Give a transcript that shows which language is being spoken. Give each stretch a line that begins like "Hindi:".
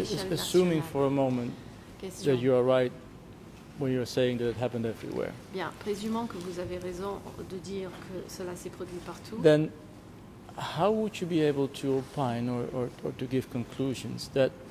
English: Assuming for a moment that you are right when you're saying that it happened everywhere.
French: Bien, présumant que vous avez raison de dire que cela s'est produit partout.
English: Then, how would you be able to opine or to give conclusions that